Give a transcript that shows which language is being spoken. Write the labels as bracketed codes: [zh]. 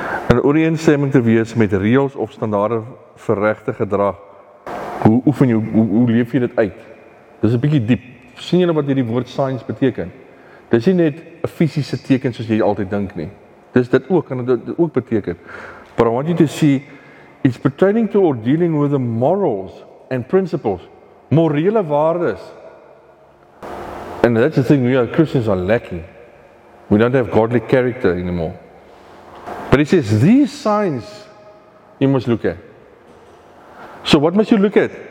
[af] In ooreenstemming te wees met reëls of standaarde vir regte gedrag. Hoe oefen jy, hoe leef jy dit uit? Dis 'n bietjie diep. Sien julle wat hierdie woord science beteken? Dis nie net 'n fisiese teken soos jy altyd dink nie. Dis dit ook en dit ook beteken. [en] But I want you to see it's pertaining to or dealing with the morals and principles, [af] morele waardes. [en] And that's the thing we are Christians are lacking. We don't have godly character anymore. But he says, these signs you must look at. So what must you look at?